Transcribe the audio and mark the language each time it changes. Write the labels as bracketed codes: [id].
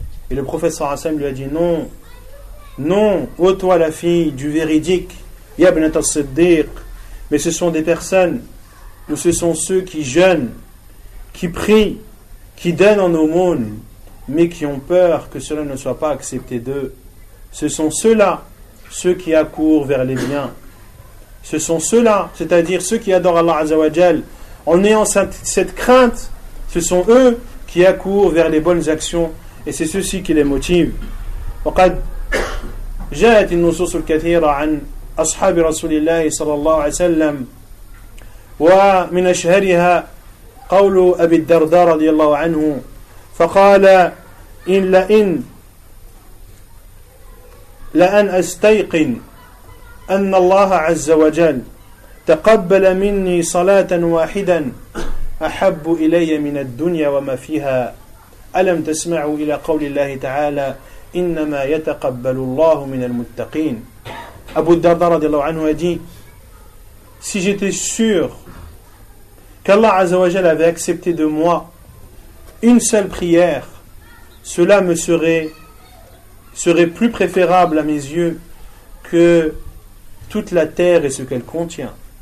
[fr] Et le prophète sallallahu alayhi wa sallam lui a dit: non, non, ô toi la fille du véridique, Yabnat al-Siddiq, mais ce sont des personnes, ou ce sont ceux qui jeûnent, qui prient, qui donnent en aumône, mais qui ont peur que cela ne soit pas accepté d'eux. Ce sont ceux-là, ceux qui accourent vers les biens. Ce sont ceux-là, c'est-à-dire ceux qui adorent Allah Azza wa Jal, en ayant cette crainte, ce sont eux qui accourent vers les bonnes actions, et c'est ceci qui les motive. [ar] وقد جاءت النصوص الكثيرة عن أصحاب رسول الله صلى الله عليه وسلم ومن أشهرها قول أبي الدرداء رضي الله عنه فقال إن لئن لأن أستيقن أن الله عز وجل تقبل مني صلاة واحدا أحب إلي من الدنيا وما فيها ألم تسمعوا إلى قول الله تعالى إِنَّمَا يَتَقَبَّلُ اللَّهُ مِنَ الْمُتَّقِينَ. [fr] Abu Darda radiallahu anhu a dit: si j'étais sûr qu'Allah Azza wa Jal avait accepté de moi une seule prière, cela me serait plus préférable à mes yeux que toute la terre et ce qu'elle contient.